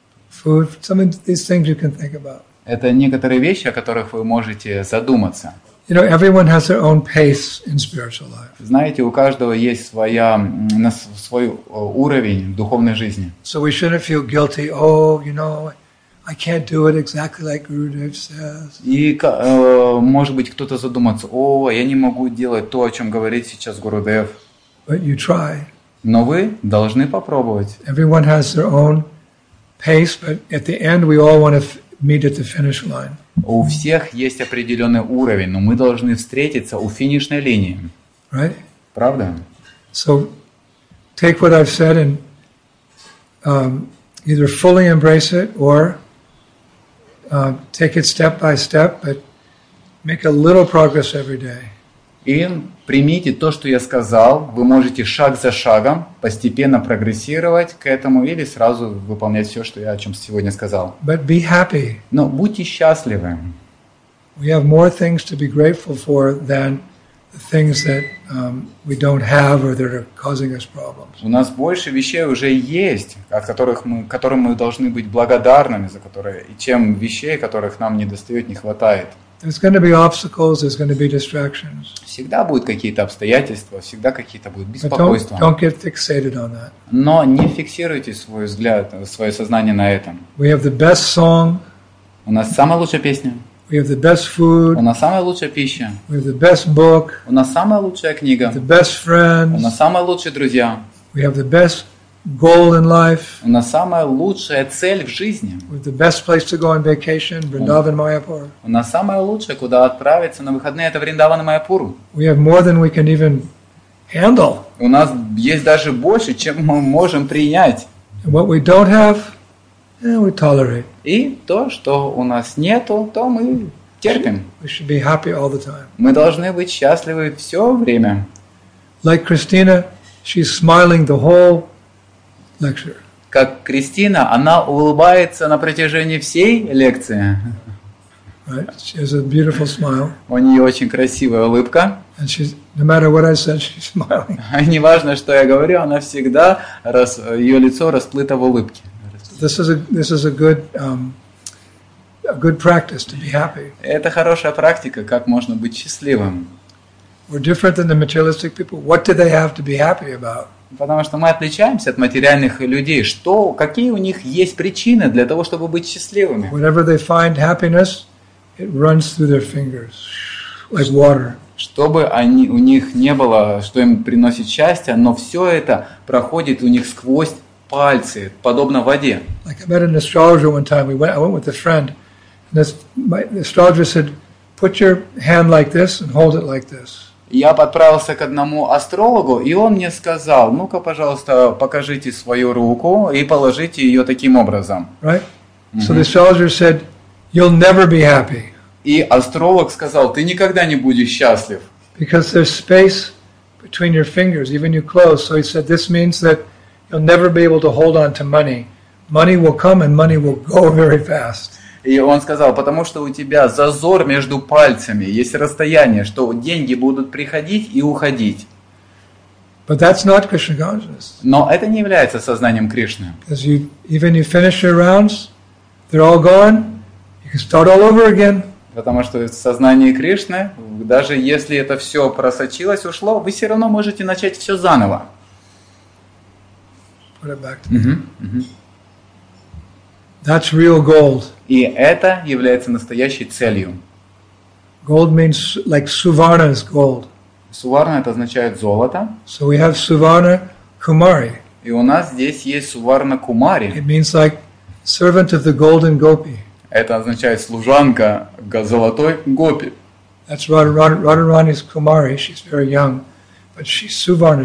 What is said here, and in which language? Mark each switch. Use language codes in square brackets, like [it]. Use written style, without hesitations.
[en] Food, some of these things you can think about. [ru] Это некоторые вещи, о которых вы можете задуматься. [en] You know, everyone has their own pace in spiritual life. [ru] Знаете, у каждого есть свой уровень в духовной жизни. [en] So we shouldn't feel guilty. Oh, you know, I can't do it exactly like Gurudev says. [ru] И может быть кто-то задуматься, о, я не могу делать то, о чем говорит сейчас Гурудев. [en] But you try. [ru] Но вы должны попробовать. [en] Everyone has their own pace, but at the end we all want to meet at the finish line. [ru] У всех есть определенный уровень, но мы должны встретиться у финишной линии. [en] Right? [ru] Правда? [en] So take what I've said and either fully embrace it or take it step by step, but make a little progress every day. [ru] И примите то, что я сказал. Вы можете шаг за шагом постепенно прогрессировать к этому или сразу выполнять все, что я о чем сегодня сказал. [en] But be happy. [ru] Но будьте счастливы. [en] We have more things to be grateful for than the things that we don't have or that are causing us problems. [ru] У нас больше вещей уже есть, которым мы должны быть благодарными за которые, и чем вещей, которых нам недостает, не хватает. [en] There's going to be obstacles, there's going to be distractions. [ru] Всегда будут какие-то обстоятельства, всегда какие-то будут беспокойства. [en] Don't get fixated on that. [ru] Но не фиксируйте свой взгляд, свое сознание на этом. [en] We have the best song. [ru] У нас самая лучшая песня. [en] We have the best food. [ru] У нас самая лучшая пища. [en] We have the best book. [ru] У нас самая лучшая книга. [en] The best friends. [ru] У нас самые лучшие друзья. [en] We have the best goal in life. [ru] У нас самая лучшая цель в жизни. [en] With the best place to go on vacation, Vrindavan Mayapur. [ru] У нас самое лучшее, куда отправиться на выходные, это Вриндаван и Майяпур. [en] We have more than we can even handle. [ru] У нас есть даже больше, чем мы можем принять. [en] And what we don't have, we tolerate. [ru] И то, что у нас нету, то мы терпим. [en] We should be happy all the time. [ru] Мы должны быть счастливы все время. [en] Like Christina, she's smiling the whole lecture. [ru] Как Кристина, она улыбается на протяжении всей лекции. [en] Right? She has a beautiful smile. [ru] У нее очень красивая улыбка. [en] And she's, no matter what I said, she's smiling. [ru] Не важно, что я говорю, она всегда ее лицо расплыто в улыбке. [en] This is a good practice to be happy. [ru] Это хорошая практика, как можно быть счастливым. [en] We're different than the materialistic people. What do they have to be happy about? [ru] Потому что мы отличаемся от материальных людей. Что, какие у них есть причины для того, чтобы быть счастливыми? [en] Whenever they find happiness, it runs through their fingers, like water. [ru] Чтобы они, у них не было, что им приносит счастье, но все это проходит у них сквозь пальцы, подобно воде. [en] Like I met an astrologer one time. I went with a friend, and the astrologer said, "Put your hand like this and hold it like this." [ru] я отправился к одному астрологу, и он мне сказал: ну-ка, пожалуйста, покажите свою руку и положите ее таким образом. [en] Right? Mm-hmm. So the astrologer said, you'll never be happy. [ru] И астролог сказал: ты никогда не будешь счастлив. [en] Because there's space between your fingers, even you close. So he said, this means that you'll never be able to hold on to money. Money will come and money will go very fast. [ru] И он сказал, потому что у тебя зазор между пальцами, есть расстояние, что деньги будут приходить и уходить. [en] But that's not Krishna consciousness. [ru] Но это не является сознанием Кришны. [en] Because you, even you finish your rounds, they're all gone, you can start all over again. [ru] Потому что в сознании Кришны, даже если это все просочилось, ушло, вы все равно можете начать все заново. [en] Put it back to me. That's real gold. [ru] И это является настоящей целью. [en] Gold means like suvarna is gold. [ru] Suvarna это означает золото. [en] So we have suvarna kumari. [ru] И у нас здесь есть suvarna kumari. [en] It means like servant of the golden gopi. [ru] Это означает служанка золотой гопи. [en] That's Radharani's kumari. She's very young, but she's suvarna.